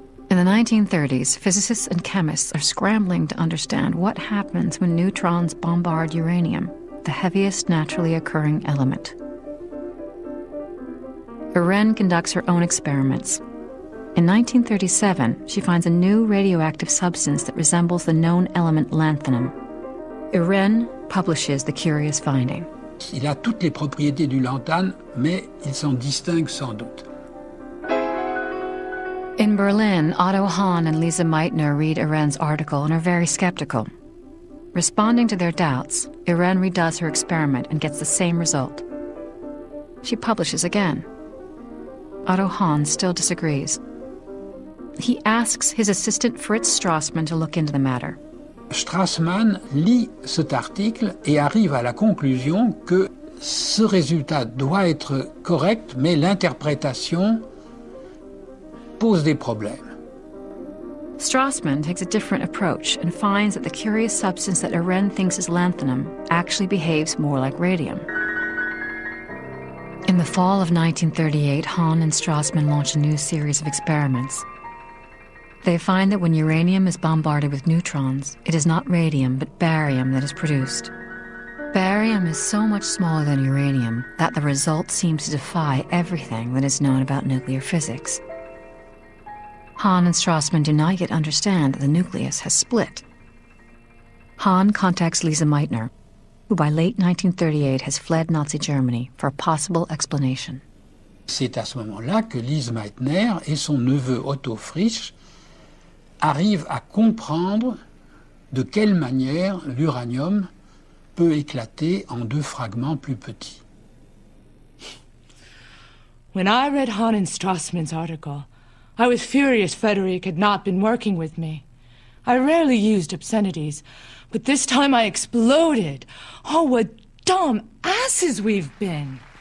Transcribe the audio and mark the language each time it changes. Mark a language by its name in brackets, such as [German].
[English] In the 1930s, physicists and chemists are scrambling to understand what happens when neutrons bombard uranium, the heaviest naturally occurring element. Irène conducts her own experiments. In 1937, she finds a new radioactive substance that resembles the known element lanthanum. Irène publishes the curious finding. [French] Il a toutes les propriétés du lanthane, mais il s'en distingue sans doute. [English] In Berlin, Otto Hahn and Lisa Meitner read Irène's article and are very skeptical. Responding to their doubts, Irène redoes her experiment and gets the same result. She publishes again. Otto Hahn still disagrees. He asks his assistant Fritz Strassmann to look into the matter. [French] Strassmann lit cet article et arrive à la conclusion que ce résultat doit être correct, mais l'interprétation pose des problèmes. [English] Strassmann takes a different approach and finds that the curious substance that Irène thinks is lanthanum actually behaves more like radium. In the fall of 1938, Hahn and Strassmann launch a new series of experiments. They find that when uranium is bombarded with neutrons, it is not radium, but barium that is produced. Barium is so much smaller than uranium that the result seems to defy everything that is known about nuclear physics. Hahn and Strassmann do not yet understand that the nucleus has split. Hahn contacts Lisa Meitner, who by late 1938 has fled Nazi Germany, for a possible explanation. [French] C'est à ce moment-là que Lisa Meitner et son neveu Otto Frisch arrive à comprendre de quelle manière l'uranium peut éclater en deux fragments plus petits. [English] When I read Hahn and Strassmann's article, I was furious Frederick had not been working with me. I rarely used obscenities, but this time I exploded. Oh, what dumb asses we've been!